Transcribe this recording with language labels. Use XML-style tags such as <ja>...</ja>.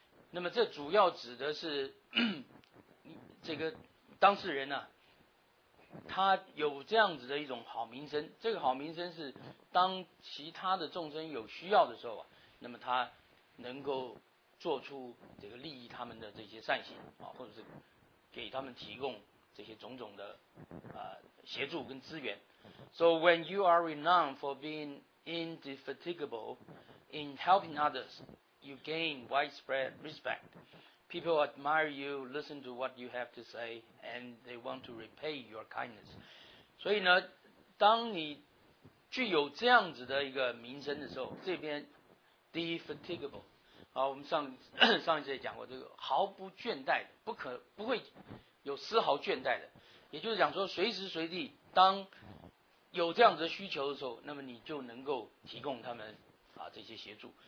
<zh>那么这主要指的是这个当事人呢、啊，他有这样子的一种好名声。这个好名声是当其他的众生有需要的时候啊，那么他能够做出这个利益他们的这些善行啊，或者是给他们提供这些种种的协助跟资源。</zh> <en>So when you are renowned for being indefatigable in helping others, you gain widespread respect. People admire you, listen to what you have to say, and they want to repay your kindness.</en> <zh>所以呢，当你具有这样子的一个名声的时候，这边 defatigable， 好，我们上一次也讲过，这个毫不倦怠的，不会有丝毫倦怠的，也就是讲说，随时随地当有这样子的需求的时候，那么你就能够提供他们啊这些协助。</zh>